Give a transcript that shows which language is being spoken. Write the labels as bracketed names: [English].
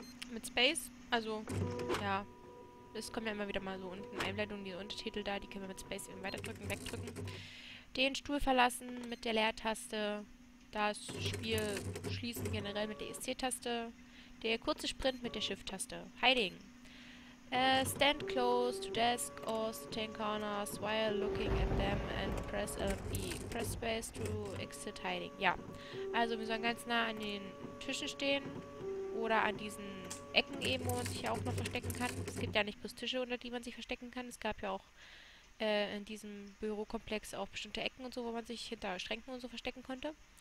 [German] Mit Space, also, ja, es kommen ja immer wieder mal so unten Einblendungen, die Untertitel da, die können wir mit Space eben weiterdrücken, wegdrücken. Den Stuhl verlassen mit der Leertaste, das Spiel schließen generell mit der ESC-Taste, der kurze Sprint mit der Shift-Taste, hiding. [English] Stand close to desk or stand corners while looking at them and press LMB. Press Space to exit hiding. [German] Ja, also wir sollen ganz nah an den Tischen stehen. Oder an diesen Ecken eben, wo man sich ja auch noch verstecken kann. Es gibt ja nicht bloß Tische, unter die man sich verstecken kann. Es gab ja auch in diesem Bürokomplex auch bestimmte Ecken und so, wo man sich hinter Schränken und so verstecken konnte.